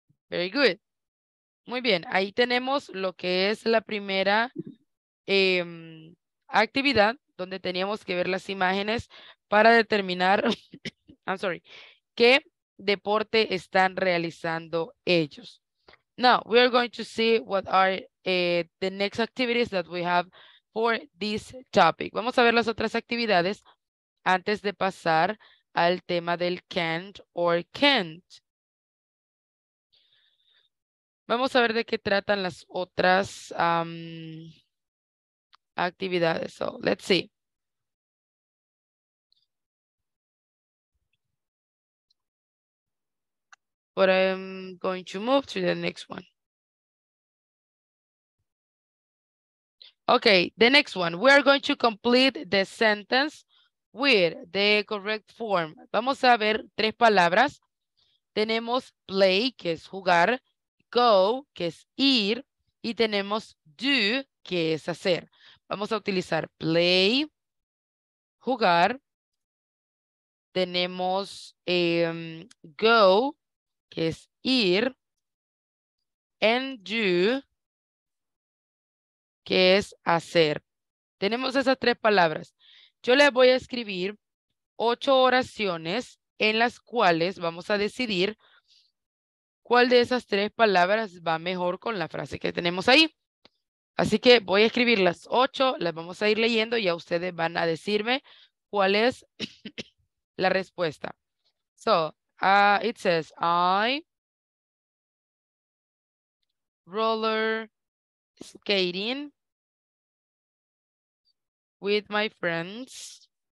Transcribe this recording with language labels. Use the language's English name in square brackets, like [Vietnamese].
[English] Very good. [Spanish] Muy bien, ahí tenemos lo que es la primera actividad donde teníamos que ver las imágenes para determinar, qué deporte están realizando ellos. [English] Now, we are going to see what are the next activities that we have for this topic. [Spanish] Vamos a ver las otras actividades antes de pasar al tema del can't or can't. Vamos a ver de qué tratan las otras actividades. [English] So, let's see. But I'm going to move to the next one. Okay, the next one. We are going to complete the sentence with the correct form. [Spanish] Vamos a ver tres palabras. Tenemos play, que es jugar, go, que es ir, y tenemos do, que es hacer. Vamos a utilizar play, jugar, tenemos go, que es ir, and do, que es hacer. Tenemos esas tres palabras. Yo les voy a escribir 8 oraciones en las cuales vamos a decidir cuál de esas tres palabras va mejor con la frase que tenemos ahí. Así que voy a escribir las 8, las vamos a ir leyendo y a ustedes van a decirme cuál es la respuesta. [English] So, it says, I roller skating with my friends.